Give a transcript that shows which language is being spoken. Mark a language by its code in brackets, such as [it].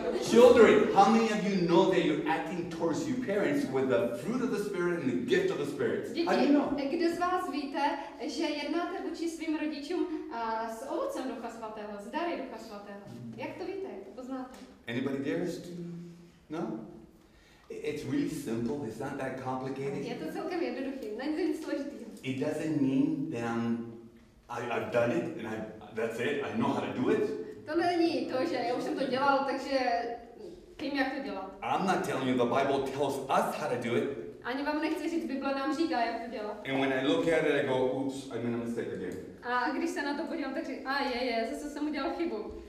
[en] Children, how many of you know that you're acting towards your parents with the fruit of the Spirit and the gift of the Spirit? [cs] Děti, kdo z vás víte, že jednáte vůči svým rodičům s ovocem Ducha Svatého, s dary Ducha Svatého? Jak to víte? Jak to poznáte? [en] Anybody dares to? No? It's really simple. It's not that complicated. [cs] Je to celkem jednoduchý. Není to složitý. [en] It doesn't mean that I've done it and that's it. I know how to do it. [cs] To není to, že já už jsem to dělal, takže vím, jak to dělat. [en] I'm not telling you, the Bible tells us how to do it. [cs] Ani vám nechci říct, Bible nám říká, jak to dělat. [en] And when I look at it, I go, oops, I made a mistake again. [cs] A když se na to podívám, tak říkám, zase jsem udělal chybu.